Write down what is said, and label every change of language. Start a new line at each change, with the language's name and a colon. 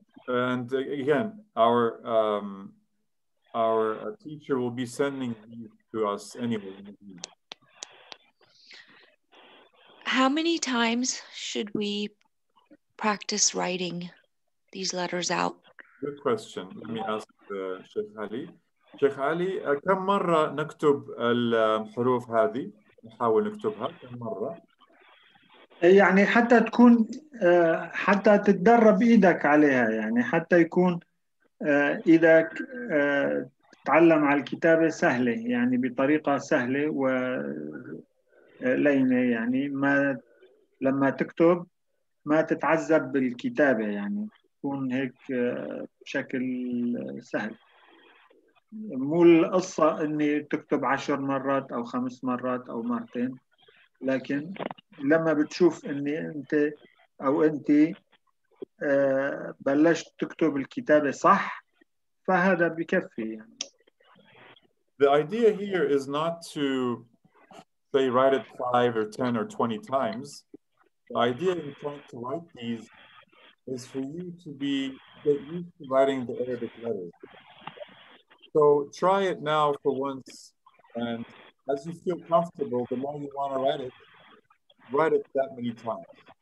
English: And again, our teacher will be sending these to us anyway. How many times should we practice writing these letters out? Good question. Let me ask Sheikh Ali.
Arabic: Sheikh Ali, كم مرة نكتب الحروف هذه؟ نحاول نكتبها كم مرة؟ يعني حتى تكون حتى تتدرب ايدك عليها يعني حتى يكون ايدك تتعلم على الكتابه سهله يعني بطريقه سهله ولينه يعني ما لما تكتب ما تتعذب بالكتابه يعني تكون هيك بشكل سهل مو القصه اني تكتب 10 مرات او 5 مرات او مرتين لكن لما بتشوف اني انت او انت بلشت تكتب الكتابه صح فهذا بكفي يعني.
English: The idea here is not to say write it 5 or 10 or 20 times. The idea in trying to write these is for you to be get used to writing the Arabic letters. So try it now for once and as you feel comfortable, the more you want to write it that many times.